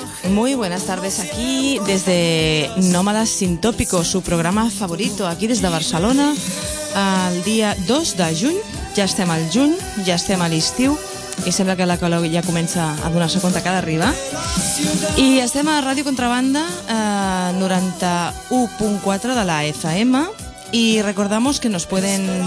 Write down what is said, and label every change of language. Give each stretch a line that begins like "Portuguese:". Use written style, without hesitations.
Spanish: Muy buenas tardes, aquí desde Nómadas Sin Tópico, su programa favorito, aquí desde Barcelona.
Catalan: El dia 2 de juny, ja estem al juny, ja estem a l'estiu, i sembla que la calor ja comença a donar-se compte que ha d'arribar. I estem a Ràdio Contrabanda, 91.4 de la FM, i
Spanish: recordamos que nos pueden